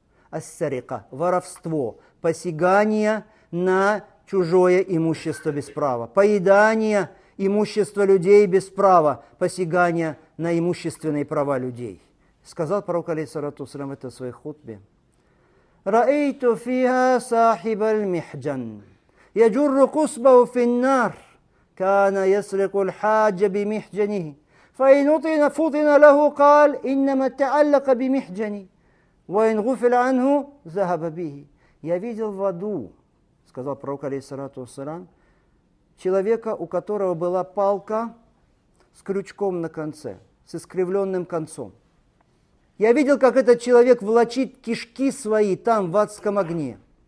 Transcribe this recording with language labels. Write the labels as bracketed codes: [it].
[ru] Ас-сарика, воровство, посягание на чужое имущество без права, поедание имущества людей без права, посягание на имущественные права людей. Сказал пророк, алейхиссалату вассалям, это в своей хутбе. [ar] «Раэйту фиха сахибаль михджан». يجر قصبه في النار كان يسرق الحاج بمحجنه فإن فطن له قال إنما تعلق بمحجني وإن غفل عنه ذهب به. [ru] Я видел в аду, сказал пророк алейхиссалату вассалям, человека, у которого была палка с крючком на конце, с искривленным концом. Я видел, как этот человек влачит кишки свои там, в адском огне.